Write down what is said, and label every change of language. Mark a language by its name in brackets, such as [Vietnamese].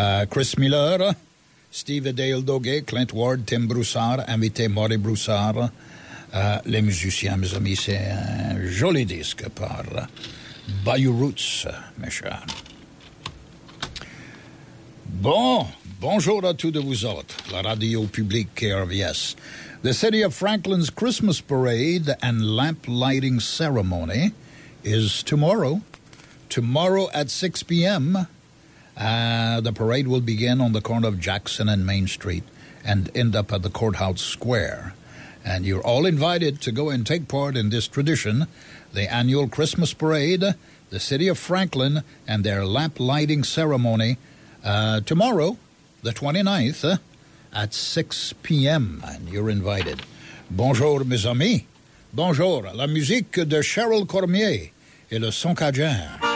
[French] Chris Miller, Steve et Dale Doguet, Clint Ward, Tim Broussard, invité Maury Broussard, les musiciens, mes amis. C'est un joli disque par Bayou Roots, mes chers. Bon. Bonjour à tous de vous autres, la radio publique KRVS. [English] The City of Franklin's Christmas Parade and Lamp Lighting Ceremony is tomorrow. Tomorrow at 6 p.m., the parade will begin on the corner of Jackson and Main Street and end up at the Courthouse Square. And you're all invited to go and take part in this tradition, the annual Christmas Parade, the City of Franklin, and their Lamp Lighting Ceremony tomorrow, the 29th, at 6 p.m., and you're invited. [French] Bonjour, mes amis. Bonjour. La musique de Cheryl Cormier et le son cajun.